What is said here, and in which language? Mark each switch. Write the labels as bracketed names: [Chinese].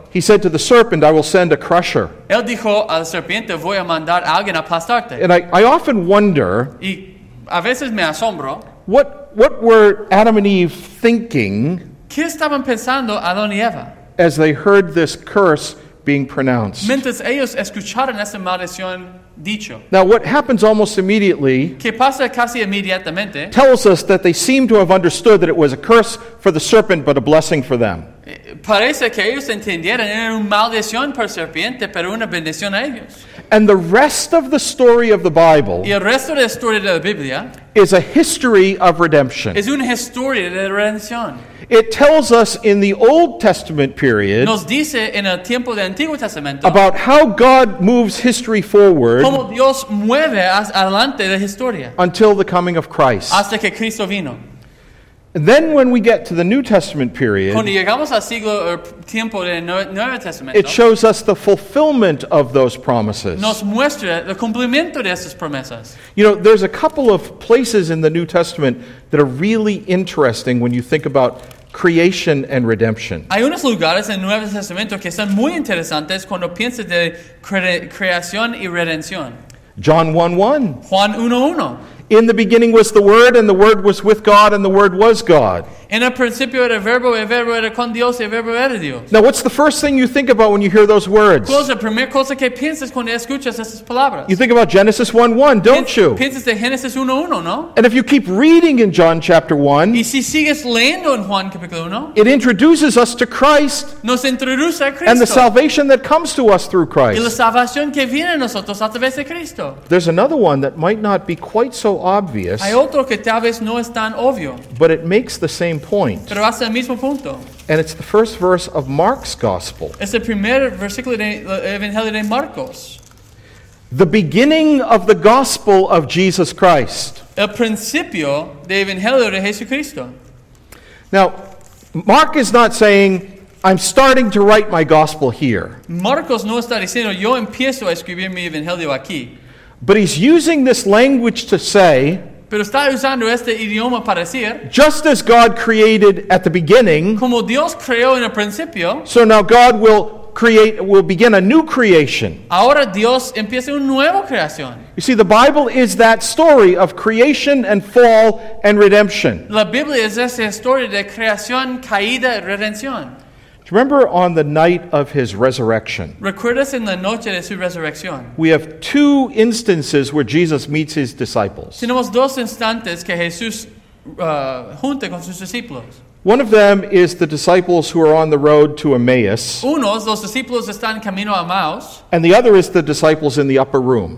[English] He said to the serpent, I will send a crusher. [Spanish] Él dijo a la serpiente, voy a mandar a alguien a aplastarte. [English] And I often wonder, [Spanish] y a veces me asombro, [English] what were Adam and Eve thinking? [Spanish] ¿Qué estaban pensando Adán y Eva? [English] As they heard this curse being pronounced. [Spanish] Mientras ellos escucharon esa maldición dicho. [English] Now what happens almost immediately, [Spanish] que pasa casi inmediatamente, [English] tells us that they seem to have understood that it was a curse for the serpent but a blessing for them. [Spanish] Parece que ellos entendieron era una maldición para la serpiente pero una bendición a ellos. [English] And the rest of the story of the Bible, [Spanish] y el resto de la historia de la Biblia, [English] is a history of redemption. [Spanish] Es una historia de redención. [English] It tells us in the Old Testament period, [Spanish] nos dice en el tiempo del Antiguo Testamento, [English] about how God moves history forward, [Spanish] como Dios mueve adelante la historia, [English] until the coming of Christ, [Spanish] hasta que Cristo vino. [English] And then when we get to the New Testament period, [Spanish] cuando llegamos al siglo o tiempo del Nuevo Testamento, [English] it shows us the fulfillment of those promises. [Spanish] Nos muestra el cumplimiento de esas promesas. [English] You know, there's a couple of places in the New Testament that are really interesting when you think about creation and redemption. [Spanish] Hay unos lugares en el Nuevo Testamento que son muy interesantes cuando piensas de creación y redención. [English] John 1:1. [Spanish] Juan 1:1. [English] In the beginning was the Word, and the Word was with God, and the Word was God. [Spanish] En el principio era verbo, y el verbo era con Dios, y el verbo era Dios. [English] Now, what's the first thing you think about when you hear those words? [Spanish] ¿Cuál es la primera cosa que piensas cuando escuchas esas palabras? [English] You think about Genesis 1:1, don't you? [Spanish] Piensas de Genesis 1:1, ¿no? [English] And if you keep reading in John chapter 1, [Spanish] y si sigues leyendo en Juan capítulo 1, [English] it introduces us to Christ. [Spanish] Nos introduce a Cristo. [English] And the salvation that comes to us through Christ. [Spanish] Y la salvación que viene a nosotros a través de Cristo. [English] There's another one that might not be quite so obvious. [Spanish] Hay otro que tal vez no es tan obvio. [English] But it makes the same point. [Spanish] Pero hace el mismo punto. [English] And it's the first verse of Mark's gospel. [Spanish] Es el primer versículo del Evangelio de Marcos. [English] The beginning of the gospel of Jesus Christ. [Spanish] El principio del Evangelio de Jesucristo. [English] Now, Mark is not saying, I'm starting to write my gospel here. [Spanish] Marcos no está diciendo, yo empiezo a escribir mi Evangelio aquí. [English] But he's using this language to say, [Spanish] pero está usando este idioma para decir, [English] just as God created at the beginning, [Spanish] como Dios creó en el principio, [English] so now God will begin a new creation. [Spanish] Ahora Dios empieza una nueva creación. [English] You see, the Bible is that story of creation and fall and redemption. [Spanish] La Biblia es esa historia de creación, caída y redención. [English] Remember on the night of his resurrection. [Spanish] ¿Recuerdas en la noche de su resurrección? [English] We have two instances where Jesus meets his disciples. [Spanish] Tenemos dos instantes que Jesús junta con sus discípulos. [English] One of them is the disciples who are on the road to Emmaus. [Spanish] Uno, los discípulos están camino a Emmaus. [English] And the other is the disciples in the upper room.